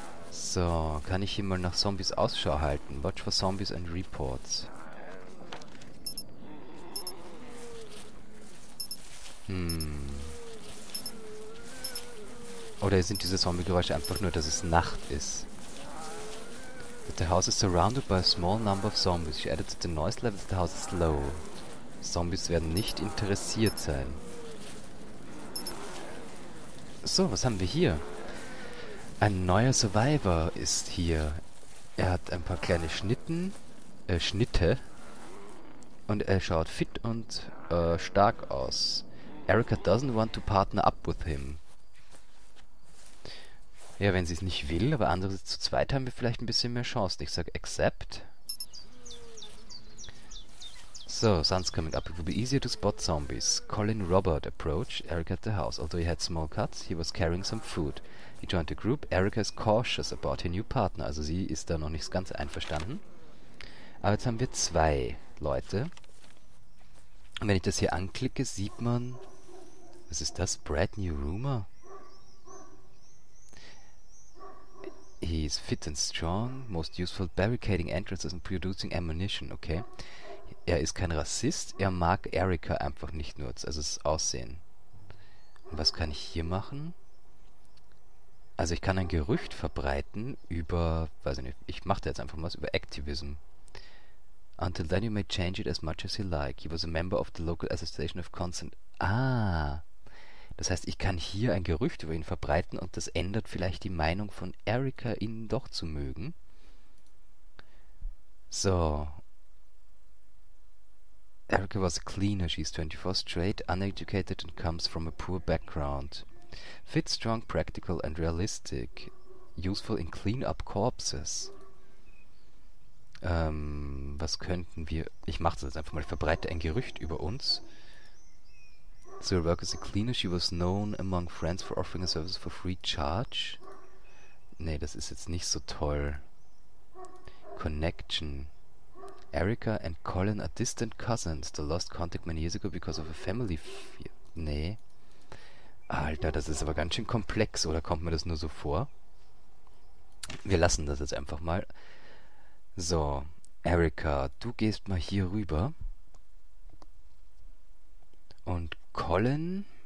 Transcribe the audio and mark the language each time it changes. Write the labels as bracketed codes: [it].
[de] So, kann ich hier mal nach Zombies Ausschau halten? [en] Watch for zombies and reports. [de] Oder sind diese Zombie-Geräusche einfach nur, dass es Nacht ist? [en] But the house is surrounded by a small number of zombies. She added to the noise level, the house is low. [de] Zombies werden nicht interessiert sein. So, was haben wir hier? Ein neuer Survivor ist hier. Er hat ein paar kleine Schnitte. Und er schaut fit und stark aus. [en] Erica doesn't want to partner up with him. [de] Ja, wenn sie es nicht will, aber andere zu zweit haben wir vielleicht ein bisschen mehr Chance. Ich sag [en] accept. So, sun's coming up. It will be easier to spot zombies. Colin Robert approached Erica at the house. Although he had small cuts, he was carrying some food. He joined the group. Erica is cautious about her new partner. [de] Also sie ist da noch nicht ganz einverstanden. Aber jetzt haben wir zwei Leute. Und wenn ich das hier anklicke, sieht man... Was ist das? [en] Brand new rumor? He is fit and strong, most useful barricading entrances and producing ammunition. Okay. [de] Er ist kein Rassist, er mag Erica einfach nicht nur, also das Aussehen. Und was kann ich hier machen? Also ich kann ein Gerücht verbreiten über, weiß ich nicht, ich mache da jetzt einfach was, über Activism. [en] Until then you may change it as much as you like. He was a member of the local association of consent. Ah, [de] Das heißt, ich kann hier ein Gerücht über ihn verbreiten und das ändert vielleicht die Meinung von Erica, ihn doch zu mögen. So. [en] Erica was a cleaner, she's 24, straight, uneducated and comes from a poor background. Fit, strong, practical and realistic. Useful in clean up corpses. [de] Was könnten wir... Ich mach das jetzt einfach mal, ich verbreite ein Gerücht über uns. [en] So, Erica is a cleaner, she was known among friends for offering a service for free charge. [de] Nee, das ist jetzt nicht so toll. Connection. [en] Erica and Colin are distant cousins. They lost contact many years ago because of a family... [de] Nee. Alter, das ist aber ganz schön komplex, oder kommt mir das nur so vor? Wir lassen das jetzt einfach mal. So, Erica, du gehst mal hier rüber. Und Colin...